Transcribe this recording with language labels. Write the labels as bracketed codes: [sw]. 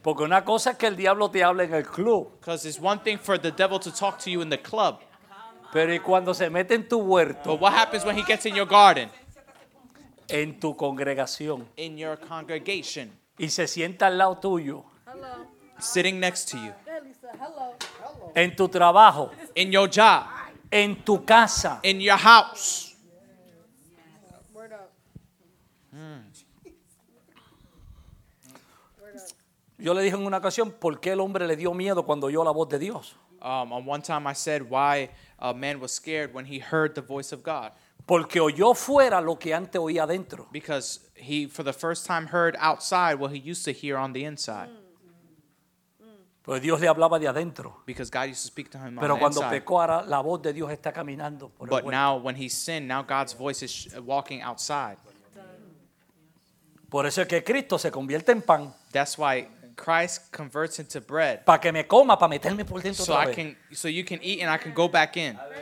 [es] Porque una cosa es que el diablo te hable en el club. [en] Because it's one thing for the devil to talk to you in the club. [es] Pero y cuando se mete en tu huerto. [en] But what happens when he gets in your garden? [es] En tu congregación. [en] In your congregation. [es] Y se sienta al lado tuyo. [en] Hello. Sitting next to you. Hello. Hello. [es] En tu trabajo. [en] In your job. [es] En tu casa. [en] In your house. [es] Yo le dije en una ocasión, ¿por qué el hombre le dio miedo cuando oyó la voz de Dios? [en] On one time I said why a man was scared when he heard the voice of God. [es] Porque oyó fuera lo que antes oía adentro. [en] Because he, for the first time, heard outside what he used to hear on the inside. [es] Pero Dios le hablaba de adentro. [en] Because God used to speak to him [es] Pero [en] on the inside. [es] Pero cuando pecó, la voz de Dios está caminando por [en] But [es] el [en] now, when he sinned, now God's voice is walking outside. [es] Por eso es que Cristo se convierte en pan. [en] That's why Christ converts into bread. [es] Pa que me coma, pa meterme por dentro [en] so [es] otra [en] I [es] vez. [en] Can, so you can eat and I can go back in.